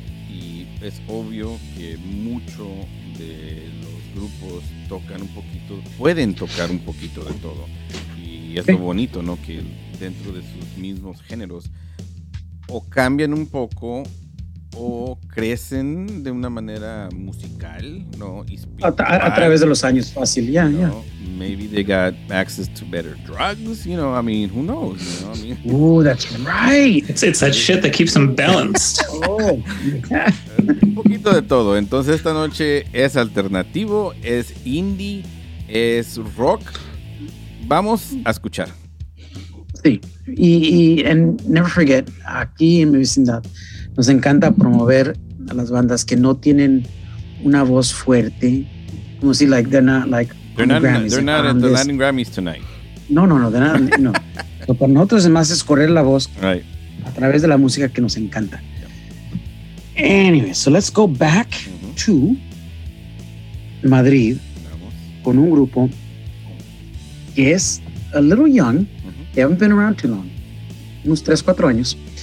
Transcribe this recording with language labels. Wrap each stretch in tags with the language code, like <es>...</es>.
<es>Y es obvio que mucho de los grupos tocan un poquito, pueden tocar un poquito de todo. Y es lo bonito, ¿no? Que dentro de sus mismos géneros o cambian un poco o crecen de una manera musical, ¿no? A través de los años, fácil, ya, yeah, ¿no? Yeah.</es> <en>Maybe they got access to better drugs, you know, I mean, who knows, you know? I mean, ooh, that's right. It's that shit that keeps them balanced. Oh.</en> <es>Un poquito de todo. Entonces, esta noche es alternativo, es indie, es rock. Vamos a escuchar. Sí, y</es> <en>and never forget,</en> <es>aquí en mi vecindad nos encanta promover a las bandas que no tienen una voz fuerte, como si</es> <en>like they're not like they're not Grammys, they're not at the this. Latin Grammys tonight. No, they're not. No.</en> <es>Pero para nosotros es más escorrer la voz</es> <en>right.</en> <es>A través de la música que nos encanta.</es> <en>Anyway, so let's go back to Madrid.</en> <es>Vamos. Con un grupo.</es> <en>Yes, a little young. They haven't been around too long.</en> <es>Unos 3-4 años.</es>